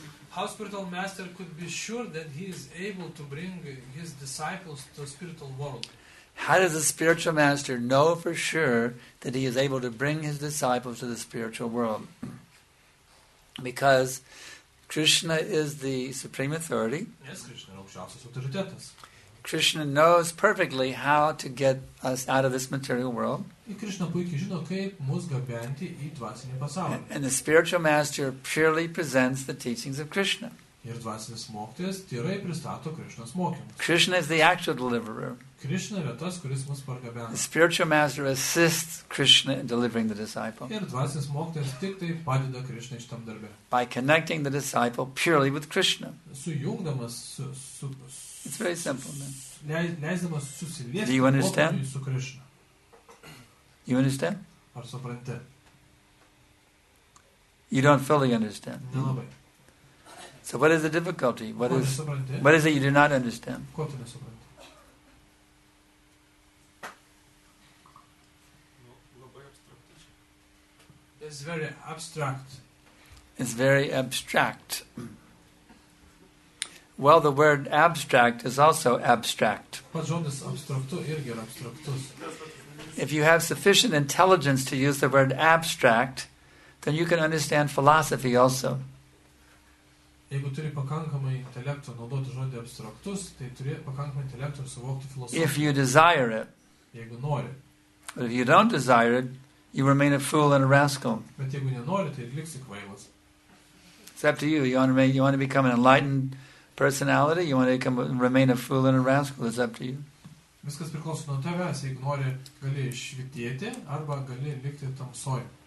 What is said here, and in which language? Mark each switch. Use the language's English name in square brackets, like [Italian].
[English] How spiritual master could be sure that he is able to bring his disciples to the spiritual world? How does a spiritual master know for sure that he is able to bring his disciples to the spiritual world? Because Krishna is the supreme authority. Yes, Krishna is [Lithuanian] aukščiausias autoritetas. [English] Krishna knows perfectly how to get us out of this material world. [Lithuanian] Krishna puikiai žino, kaip mus gabenti į dvasinį pasaulį. [English] And the spiritual master purely presents the teachings of Krishna. [Lithuanian] Ir dvasinis mokytojas tyrai pristato Krishnos mokymus. [English] Krishna is the actual deliverer. [Lithuanian] Krishna yra tas, kuris mus pargabena. [English] The spiritual master assists Krishna in delivering the disciple. [Lithuanian] Ir dvasinis mokytojas tik tai padeda Krishna šitam darbe. [English] By connecting the disciple purely with Krishna. [Lithuanian] Sujungdamas su [English] It's very simple, man. [Lithuanian] Leisdamas susiliesti. [English] Do you understand? You understand? [Lithuanian] Ar supranti? [English] You don't fully understand. [Lithuanian] Nelabai. Mm-hmm. [English] So what is the difficulty? What is it you do not understand? It's very abstract. It's very abstract. Well, the word abstract is also abstract. If you have sufficient intelligence to use the word abstract, then you can understand philosophy also. [Lithuanian] Jeigu turi pakankamai intelekto naudoti žodį abstraktus, tai turi pakankamai intelekto suvokti filosofiją. [English] If you desire it. [Lithuanian] Jeigu nori. [English] But if you don't desire it, you remain a fool and a rascal. [Lithuanian] Bet jeigu nenori, tai liksi kvailas. [English] It's up to you. You want to become an enlightened personality? You want to become, remain a fool and a rascal? It's up to you. [Lithuanian] Viskas priklauso nuo tavęs. Jeigu nori, gali švytėti arba gali likti tamsoj.